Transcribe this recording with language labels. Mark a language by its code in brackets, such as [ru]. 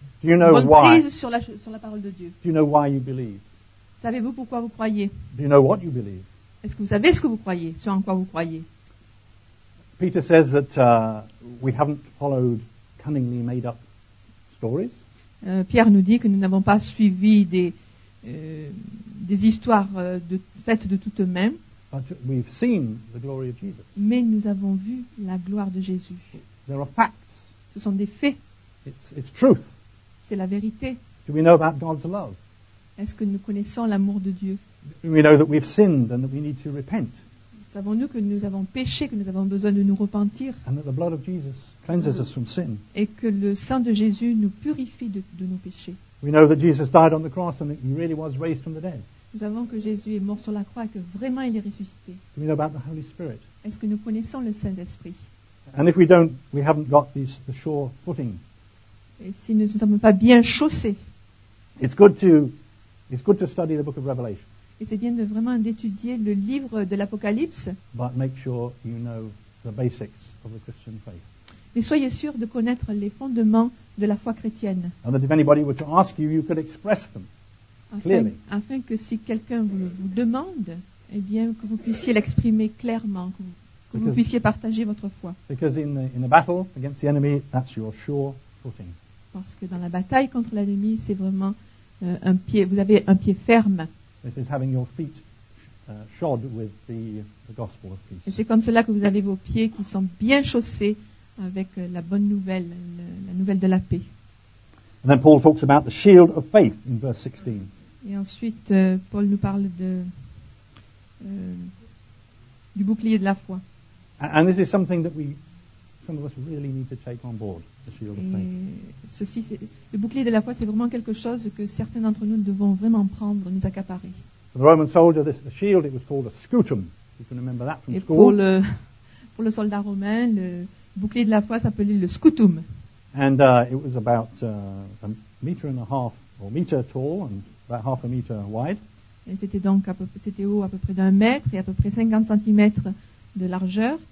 [en] Do you know [fr] une bonne [en] why? [fr] Prise sur la parole de Dieu. [en] Do you know why you believe? [fr] Savez-vous pourquoi vous croyez? [en] Do you know what you believe? [fr] Est-ce que vous savez ce que vous croyez, ce en quoi vous croyez? [en] Peter says that we haven't followed cunningly made up stories. [fr] Pierre nous dit que nous n'avons pas suivi des histoires faites de toutes mains. [en] But we've seen the glory of Jesus. [fr] Mais nous avons vu la gloire de Jésus. [en] There are facts. [fr] Ce sont des faits. [en] It's truth. [fr] C'est la vérité. [en] Do we know about God's love? [fr] Est-ce que nous connaissons l'amour de Dieu? [en] We know that we've sinned and that we need to repent. [fr] Savons-nous que nous avons péché, que nous avons besoin de nous repentir? [en] And that the blood of Jesus cleanses us from sin. [fr] Et que le sang de Jésus nous purifie de nos péchés. [en] We know that Jesus died on the cross and that he really was raised from the dead. [fr] Nous savons que Jésus est mort sur la croix et que vraiment il est ressuscité. [en] Do we know about the Holy Spirit? [fr] Est-ce que nous connaissons le Saint-Esprit? [en] And if we don't, we haven't got the sure footing. [fr] Et si nous ne sommes pas bien chaussés? [en] It's good to study the book of Revelation. [fr] Et c'est bien de vraiment d'étudier le livre de l'Apocalypse. [en] But make sure you know the basics of the Christian faith. [fr] Mais soyez sûr de connaître les fondements de la foi chrétienne. [en] And that if anybody were to ask you, you could express them. [fr] Afin que si quelqu'un vous demande, eh bien que vous puissiez l'exprimer clairement, que vous puissiez partager votre foi. Parce que dans la bataille contre l'ennemi, c'est vraiment un pied. Vous avez un pied ferme. [en] This is having your feet shod with the gospel of peace. [fr] Et c'est comme cela que vous avez vos pieds qui sont bien chaussés avec la bonne nouvelle, la nouvelle de la paix. [en] And then Paul talks about the shield of faith in verse 16. [fr] Et ensuite, Paul nous parle du bouclier de la foi. [en] And this is something that some of us really need to take on board, the shield of faith. [fr] Ceci, le bouclier de la foi, c'est vraiment quelque chose que certains d'entre nous devons vraiment prendre, nous accaparer. [en] For the Roman soldier, the shield, it was called a scutum. You can remember that from [fr] Et [en] school. [fr] Et pour le soldat romain, le bouclier de la foi s'appelait le scutum. [en] And it was about a meter and a half, or meter tall, and about half a meter wide. [fr] Et c'était haut à peu près d'un mètre et à peu près 50 centimètres de largeur.